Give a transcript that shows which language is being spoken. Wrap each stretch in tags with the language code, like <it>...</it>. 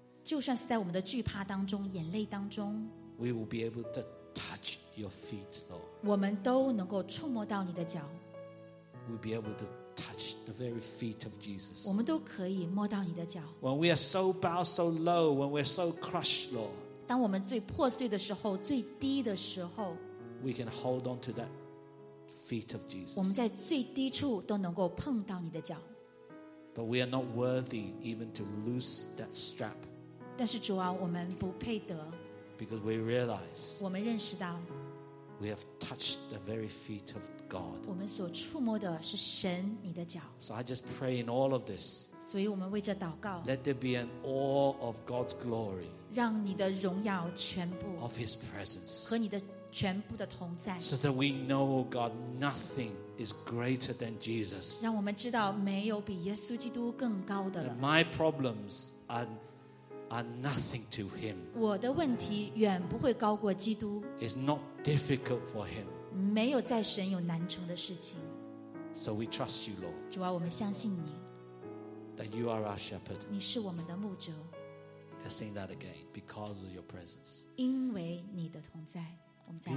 <zh>就算是在我们的惧怕当中，眼泪当中，</zh> <en>we will be able to touch your feet, Lord.</en> <zh>我们都能够触摸到你的脚。</zh> <en>We'll be able to touch the very feet of Jesus.</en> <zh>我们都可以摸到你的脚。</zh> <en>When we are so bowed so low, when we're so crushed, Lord.</en> <zh>当我们最破碎的时候，最低的时候，</zh> <en>We can hold on to that feet of Jesus.</en> <zh>我们在最低处都能够碰到你的脚。</zh> <en>But we are not worthy even to loose that strap.</en> <zh>但是主啊，我们不配得。</zh> <en>Because we realize.</en> <zh>我们认识到。</zh> <en>We have touched the very feet of God.</en> <zh>我们所触摸的是神你的脚。</zh> <en>So I just pray in all of this.</en> <zh>所以我们为这祷告。</zh> <en>Let there be an awe of God's glory.</en> <zh>让你的荣耀全部</zh> <en>of his presence,</en> <zh>和你的全部的同在</zh> <en>so that we know, God, nothing is greater than Jesus.</en> <zh>让我们知道没有比耶稣基督更高的了</zh> <en>My problems are nothing to him.</en> <zh>我的问题远不会高过基督</zh> <en>It's not difficult for him.</en> <zh>没有在神有难成的事情</zh> <en>So we trust you, Lord.</en> <zh>主啊，我们相信你</zh> <en>that you are our shepherd.</en> <zh>你是我们的牧者</zh> <en>Let's sing that again. Because of your presence.</en> <zh>因为你的同在，我们再来。</zh>